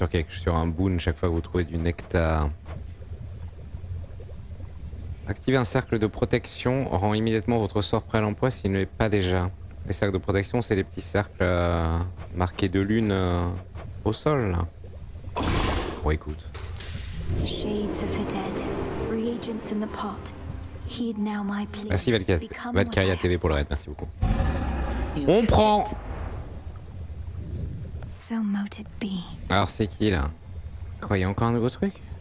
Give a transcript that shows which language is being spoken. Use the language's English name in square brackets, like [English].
[French] Sur un boon chaque fois que vous trouvez du nectar. Activer un cercle de protection rend immédiatement votre sort prêt à l'emploi s'il ne l'est pas déjà. Les cercles de protection, c'est les petits cercles marqués de lune au sol. Bon, écoute. [English] Shades of the dead, reagents in the pot. Heed now my plea. [French] Merci Valkyria TV pour le raid, merci beaucoup. On prend. [English] So mote it be. [French] Alors c'est qui là? Quoi, y'a encore un nouveau truc?